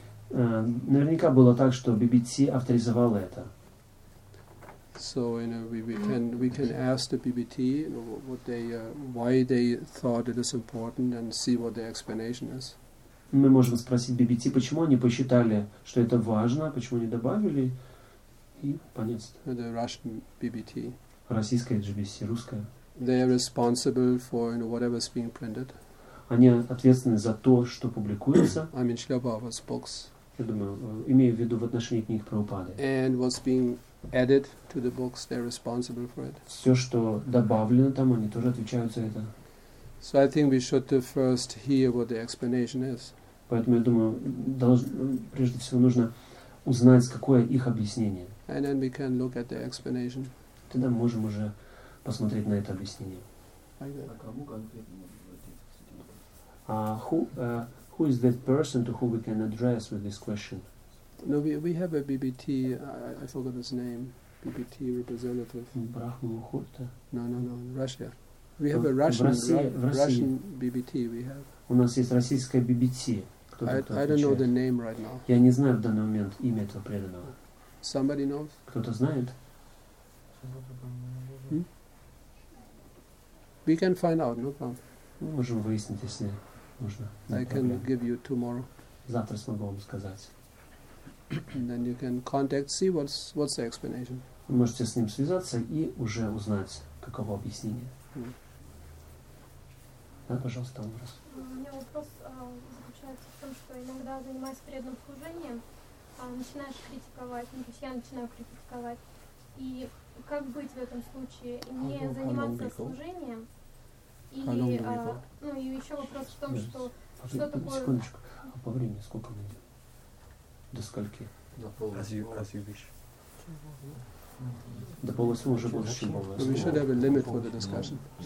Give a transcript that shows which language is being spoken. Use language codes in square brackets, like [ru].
[ru] Наверняка было так, что BBT авторизовало это. [en] So, you know, we can ask the BBT, you know, what they, why they thought it is important, and see what their explanation is. [ru] Мы можем спросить BBT, почему они посчитали, что это важно, почему они добавили, и понять. [en] The Russian BBT. [ru] Российская GBC, русская. [en] They are responsible for, you know, whatever is being printed. [ru] Они ответственны за то, что публикуется. [en] I mean, Srila Prabhupada's books. [ru] Я думаю, имею в виду в отношении книг Прабхупады. [en] And what's being added to the books, they're responsible for it. [ru] Все, что добавлено там, они тоже отвечают за это. [en] So I think we should first hear what the explanation is. [ru] Поэтому я думаю, прежде всего нужно узнать, какое их объяснение. [en] And then we can look at the explanation. [ru] Тогда мы можем уже посмотреть на это объяснение. А кому конкретно? [en] Who is that person to whom we can address with this question? No, we have a BBT, I forgot his name, BBT representative. No, Russia. We have a Russian BBT we have. [ru] У нас есть российская BBT. [en] I don't know the name right now. [ru] Я не знаю в данный момент имя этого преданного. [en] Somebody knows? [ru] Кто-то знает? [en] We can find out, no problem. [ru] Мы можем выяснить, если... [en] I can give you tomorrow. [ru] Завтра смогу вам сказать. [en] And then you can contact, see what's the explanation. [ru] Вы можете с ним связаться и уже узнать, каково объяснение. Да, пожалуйста, образ. У меня вопрос заключается в том, что иногда занимаясь преданным служением, начинаешь критиковать, то есть я начинаю критиковать. И как быть в этом случае? Не заниматься служением? И еще вопрос в том, Секундочку, а по времени сколько мы идем? До скольки? До полу. Разъебишь. [en] We should have a limit for the discussion.